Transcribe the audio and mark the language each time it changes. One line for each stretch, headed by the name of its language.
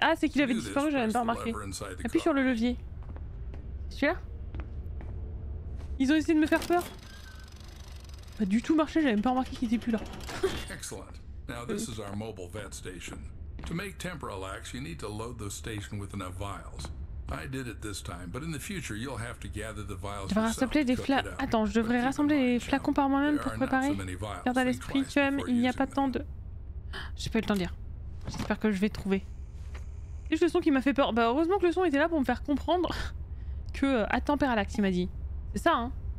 French: Ah c'est qu'il avait disparu, j'avais même pas remarqué. Appuie sur le levier. Celui-là? Ils ont essayé de me faire peur. Pas du tout marché, j'avais même pas remarqué qu'ils étaient plus là.
English: Excellent. Now this is our mobile vet station. To make Temperalax, you need to load the station with enough vials. I did it this time, but in the future you'll have to gather the vials.
French: Je devrais rassembler des flacons. Attends, je devrais rassembler les flacons par moi-même pour préparer. Garde à l'esprit, tu aimes, il n'y a pas tant de. J'ai pas eu le temps de dire. J'espère que je vais trouver. C'est juste le son qui m'a fait peur. Bah heureusement que le son était là pour me faire comprendre que à Temperalax, il m'a dit. C'est ça, hein?